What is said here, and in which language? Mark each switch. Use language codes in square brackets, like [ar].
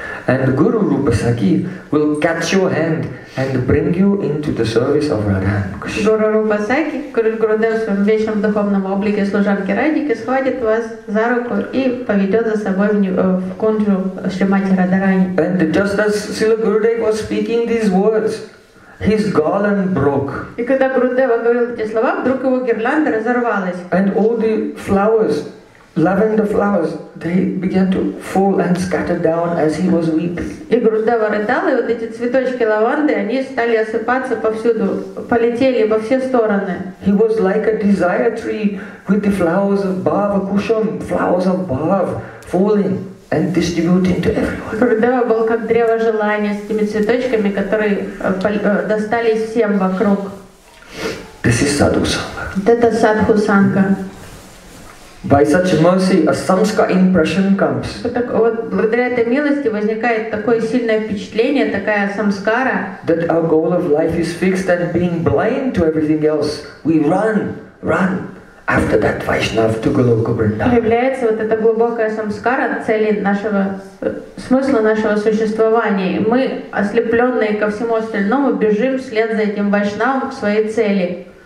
[en] And Guru Rupa Sakhi will catch your hand and bring you into the service of Radha and Krishna. [ru] Guru Rupa Sakhi, Gurudev, своим вечным духовным обликом служанки Радики, схватит вас за руку и поведет за собой в кунджу Шримати Радхарани. [en] And just as Srila Gurudev was speaking these words, his garland broke. [ru] И когда Гурудева говорил эти слова, вдруг его гирлянда разорвалась. [en] And all the flowers, lavender flowers, they began to fall and scatter down as he was weeping. [ru] И Гурудева рыдал, и вот эти цветочки лаванды, они стали осыпаться повсюду, полетели во все стороны. [en] He was like a desire tree with the flowers of Bhava Kusham, flowers of Bhava falling and distributing to everyone. [ru] Гурудева был как древо желания с этими цветочками, которые достались всем вокруг. [en] This is Sadhu Sangha. [ru] Это Садху Санга. [en] By such mercy, a samskar impression comes. [ru] Вот благодаря этой милости возникает такое сильное впечатление, такая самскара. [en] That our goal of life is fixed and being blind to everything else, we run after that Vaishnav to Goloka Vrindavan. [ru] Появляется вот эта глубокая самскара цели нашего смысла нашего существования. Мы ослепленные ко всему остальному бежим вслед за этим Вайшнавом к своей цели.